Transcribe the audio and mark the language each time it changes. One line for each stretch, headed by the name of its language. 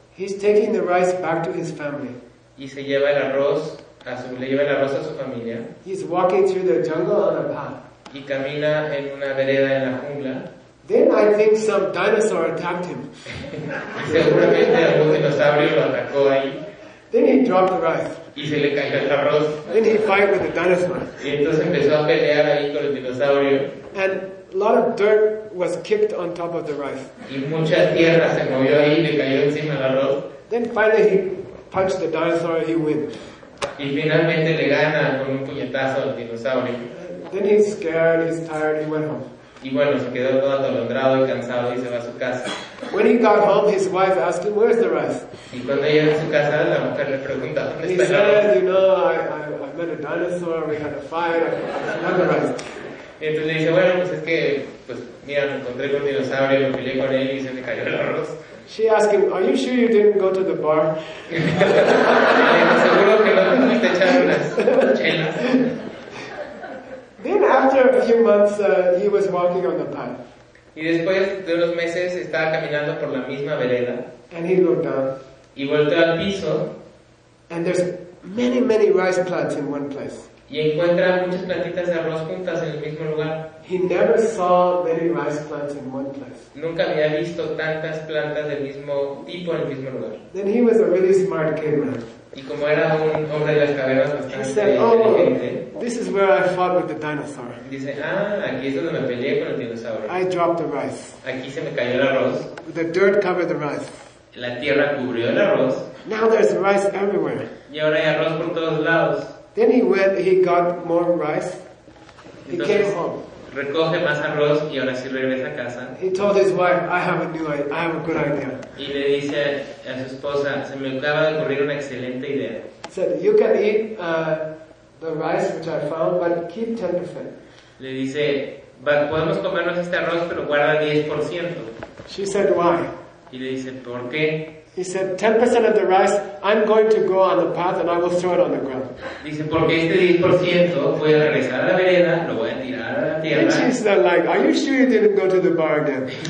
English: He's taking the rice back to his family.
Spanish: Y se lleva el arroz a su familia.
English: He's walking through the jungle on a path.
Spanish: Y camina en una vereda en la jungla.
English: Then I think some dinosaur attacked him.
Spanish: Y seguramente algún dinosaurio lo atacó ahí.
English: Then he dropped the rice.
Spanish: Y se le cayó el arroz.
English: Then he fight with the dinosaur.
Spanish: Y entonces empezó a pelear ahí con el dinosaurio.
English: And a lot of dirt was kicked on top of the rice.
Spanish: Y mucha tierra se movió ahí y le cayó encima el arroz.
English: Then finally he punched the dinosaur and he wins.
Spanish: Y finalmente le gana con un puñetazo al dinosaurio.
English: Then he's scared, he's tired, he went home.
Spanish: Y bueno, se quedó todo atolondrado y cansado y se va a su casa.
English: When he got home, his wife asked him, "Where's the rice?"
Spanish: Y cuando llega a su casa, la mujer le pregunta, ¿dónde está el arroz?
English: He said, "You know, I met a dinosaur, we had a fire, I have the rice."
Spanish: Entonces le dice, bueno, pues es que, pues mira, me encontré con un dinosaurio, me peleé con él y se me cayó el arroz.
English: She asked him, "Are you sure you didn't go to the bar?"
Spanish: Seguro que no fuiste a echar unas chelas.
English: Then after a few months, he was walking on the path.
Spanish: Y después de unos meses estaba caminando por la misma vereda.
English: And he looked down.
Spanish: Y volteó al piso.
English: And there's many, many rice plants in one place.
Spanish: Y encuentra muchas plantitas de arroz juntas en el mismo lugar.
English: He never saw many rice plants in one place.
Spanish: Nunca había visto tantas plantas del mismo tipo en el mismo lugar.
English: Then he was a really smart caveman.
Spanish: Y como era un hombre de las cavernas bastante inteligente.
English: This is where I fought with the dinosaur.
Spanish: Dice, aquí es donde me peleé con el dinosaurio.
English: I dropped the rice.
Spanish: Aquí se me cayó el arroz.
English: The dirt covered the rice.
Spanish: La tierra cubrió el arroz.
English: Now there's rice everywhere.
Spanish: Y ahora hay arroz por todos lados.
English: Then he got more rice. He came home.
Spanish: Recoge más arroz y ahora sí regresa a casa.
English: He told his wife, I have a new idea. I have a good idea.
Spanish: Y le dice a su esposa, se me acaba de ocurrir una excelente idea.
English: He said, you can eat the rice which I found, but keep 10%.
Spanish: Le dice, podemos comernos este arroz, pero guarda 10%.
English: She said, why?
Spanish: Y le dice, ¿por qué?
English: He said, 10% of the rice, I'm going to go on the path and I will throw it on the ground.
Spanish: Dice, porque este 10% voy a regresar a la vereda, lo voy a tirar.
English: And she said, like, are you sure you didn't go to the bar again?